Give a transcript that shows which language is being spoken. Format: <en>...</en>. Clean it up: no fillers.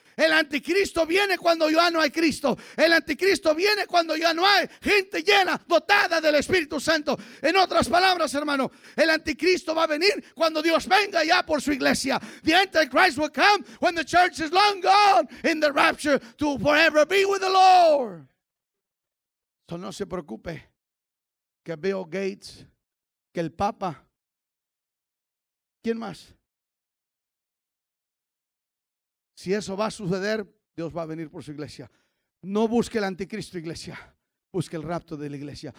<es>El anticristo viene cuando ya no hay Cristo. El anticristo viene cuando ya no hay gente llena, dotada del Espíritu Santo. En otras palabras, hermano, el anticristo va a venir cuando Dios venga ya por su iglesia.</es> <en>The Antichrist will come when the church is long gone in the rapture to forever be with the Lord.</en> <es>So no se preocupe que Bill Gates, que el Papa, ¿quién más? Si eso va a suceder, Dios va a venir por su iglesia. No busque el anticristo, iglesia. Busque el rapto de la iglesia.</es>